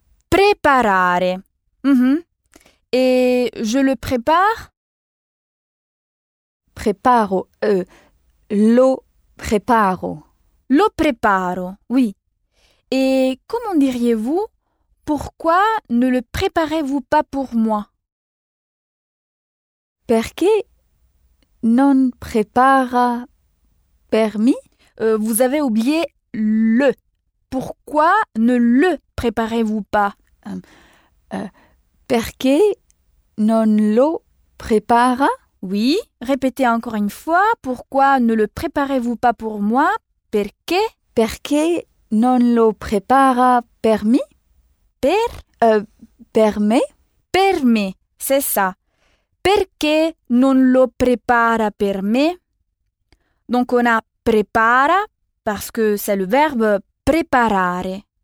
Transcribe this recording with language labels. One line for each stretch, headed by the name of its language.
French: Préparare. Et je le prépare?
Italian: Preparo. Lo preparo. Lo preparo, oui.
French: Et comment diriez-vous, pourquoi ne le préparez-vous pas pour moi?
Italian: Perché non prepara per me?
French: Vous avez oublié le. Pourquoi ne le préparez-vous pas?
Italian: Perché non lo prepara?
French: Oui, répétez encore une fois. Pourquoi ne le préparez-vous pas pour moi?
Italian: Perché? Perché non lo prepara per me? Per me? Per me,
French: c'est ça.
Italian: Perché non lo prepara per me?
French: Donc on a prepara parce que c'est le verbe preparare.